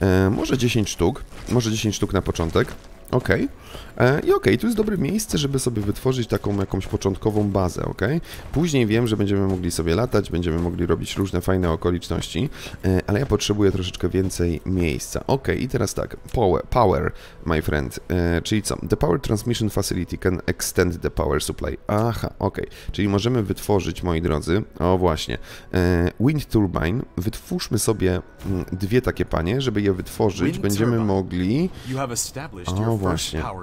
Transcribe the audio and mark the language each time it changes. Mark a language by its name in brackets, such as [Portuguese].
[Polish] Może 10 sztuk na początek. Okej. I okej, tu jest dobre miejsce, żeby sobie wytworzyć taką jakąś początkową bazę, okej? Później wiem, że będziemy mogli sobie latać, będziemy mogli robić różne fajne okoliczności, ale ja potrzebuję troszeczkę więcej miejsca. Okej, i teraz tak, [English] power, my friend, [Polish] czyli co? [English] The power transmission facility can extend the power supply. [Polish] Aha, okej, czyli możemy wytworzyć, moi drodzy, o właśnie, wind turbine, wytwórzmy sobie dwie takie panie, żeby je wytworzyć, będziemy mogli... No właśnie.